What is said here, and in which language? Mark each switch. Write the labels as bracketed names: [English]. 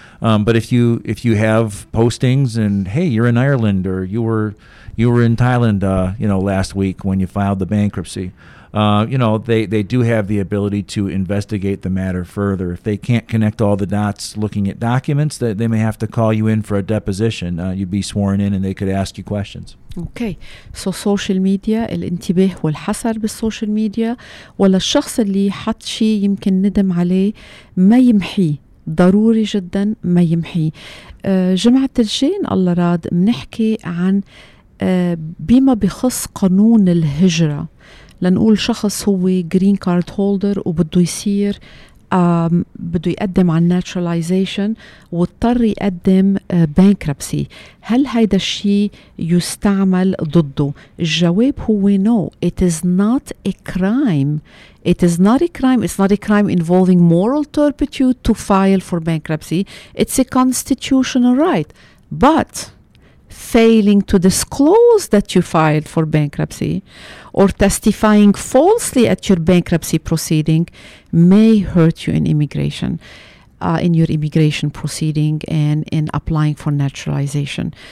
[English] But if you have postings and, hey, you're in Ireland, or you were in Thailand, last week when you filed the bankruptcy, they do have the ability to investigate the matter further. If they can't connect all the dots looking at documents, they may have to call you in for a deposition. You'd be sworn in and they could ask you questions. Okay, so social media, [Arabic] الانتباه والحذر بالسوشيال ميديا, ولا الشخص اللي حط شيء يمكن ندم عليه ما يمحي, ضروري جدا ما يمحي. جمعة الجاي إن الله راد منحكي عن بما بخص قانون الهجرة. لنقول شخص هو green card holder وبدو يصير بدو يقدم عن naturalization واضطر يقدم bankruptcy, هل هيدا الشيء يستعمل ضده؟ الجواب هو [English] no, it is not a crime. It is not a crime. It's not a crime involving moral turpitude to file for bankruptcy. It's a constitutional right. But failing to disclose that you filed for bankruptcy or testifying falsely at your bankruptcy proceeding may hurt you in immigration, in your immigration proceeding and in applying for naturalization.